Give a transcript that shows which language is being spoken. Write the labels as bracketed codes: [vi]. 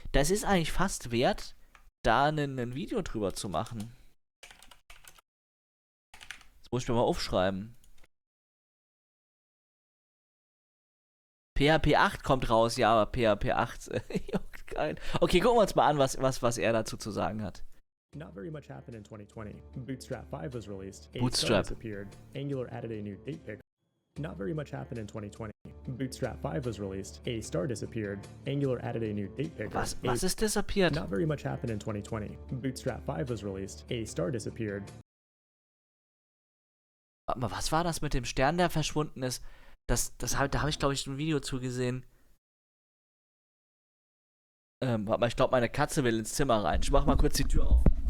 [de] Das ist eigentlich fast wert, da ein Video drüber zu machen. Das muss ich mir mal aufschreiben. PHP 8 kommt raus, ja, aber PHP 8... Okay, gucken wir uns mal an, was er dazu zu sagen hat. [en] Not very much happened in 2020. Bootstrap 5 was released. Bootstrap appeared. Angular added a new date picker. Not very much happened in 2020. Bootstrap 5 was released. A star disappeared. Angular added a new date picker. [de] Was ist disappeared? [en] Not very much happened in 2020. Bootstrap 5 was released. A star disappeared. [de] Warte mal, was war das mit dem Stern, der verschwunden ist? Da habe ich, glaube ich, ein Video zugesehen. Warte mal, ich glaube, meine Katze will ins Zimmer rein. Ich mach mal kurz die Tür auf.